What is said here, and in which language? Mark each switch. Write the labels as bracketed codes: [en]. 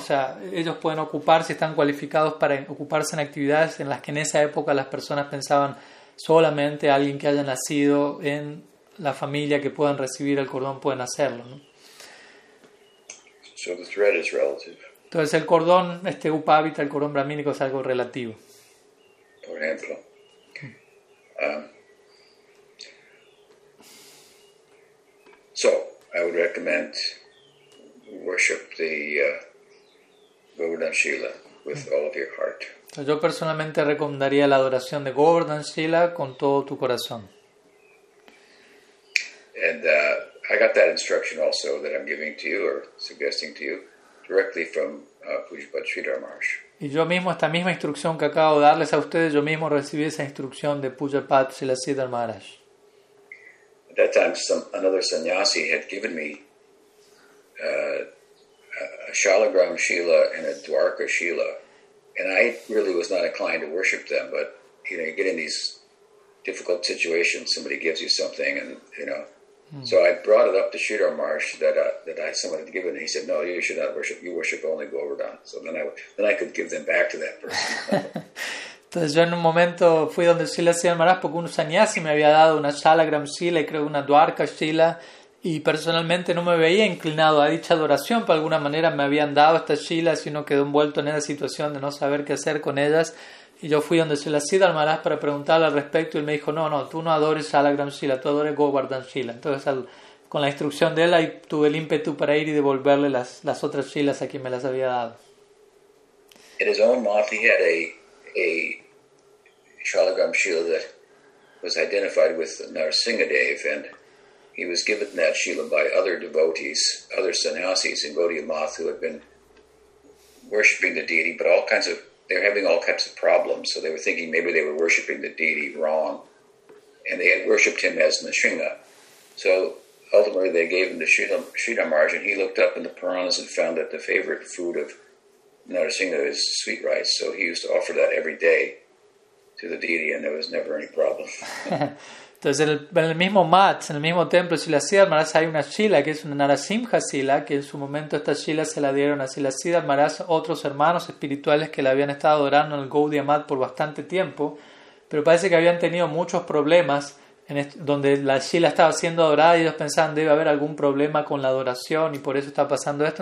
[es] O sea, ellos pueden ocuparse, están cualificados para ocuparse en actividades en las que en esa época las personas pensaban solamente alguien que haya nacido en la familia que puedan recibir el cordón pueden hacerlo, ¿no? [en] So the thread is relative. [es] Entonces el cordón, este upavita, el cordón brahmínico es algo relativo. Por ejemplo, [en] so I would recommend worship the Govardhan Shila with all of your heart. [es] Entonces, yo personalmente recomendaría la adoración de Govardhan Shila con todo tu corazón. [en] And I got that instruction also that I'm giving to you or suggesting to you directly from Pujapad Sridhar Maharaj. [es] Y yo mismo, esta misma instrucción que acabo de darles a ustedes, yo mismo recibí esa instrucción de Pujapad Srila Sridhar Maharaj. [en] At that time, another sannyasi had given me a Shalagram Shila and a Dwarka Shila, and I really was not inclined to worship them, but, you know, you get in these difficult situations, somebody gives you something and, you know, so I brought it up to Sridhar Maharaj that someone had given, and he said, no, you should not worship. You worship only Govardhan. So then I could give them back to that person. [es] Entonces yo en un momento fui donde Srila Sridhar Maharaj porque un sannyasi me había dado una Shalagram Shila y creo una Dwarka Shila, y personalmente no me veía inclinado a dicha adoración. Por alguna manera me habían dado estas Shilas y uno quedó envuelto en esa situación de no saber qué hacer con ellas. Y yo fui donde Srila Sridhar Maharaj para preguntarle al respecto y él me dijo, no, tú no adores Shalagram Shila, tú adores Govardhan Shila. Entonces, con la instrucción de él, ahí tuve el ímpetu para ir y devolverle las otras shilas a quien me las había dado. [en] In his own month, he had a Shalagram shila that was identified with Narasingadev, and he was given that shila by other devotees, other sannyasis in Gaudiya Math who had been worshipping the deity, but all kinds of, they're having all kinds of problems, so they were thinking maybe they were worshipping the deity wrong, and they had worshipped him as Nrisinga. So ultimately they gave him the Sridhar Maharaj, and he looked up in the Puranas and found that the favorite food of Narasingha is sweet rice, so he used to offer that every day to the deity, and there was never any problem. [es] Entonces, en el mismo mat, en el mismo templo, Sila Siddhar Maharaj, hay una shila que es una Narasimha shila, que en su momento esta shila se la dieron a Sila Siddhar Maharaj, otros hermanos espirituales que la habían estado adorando en el Gaudiya Math por bastante tiempo, pero parece que habían tenido muchos problemas en donde la shila estaba siendo adorada y ellos pensaban debe haber algún problema con la adoración y por eso está pasando esto.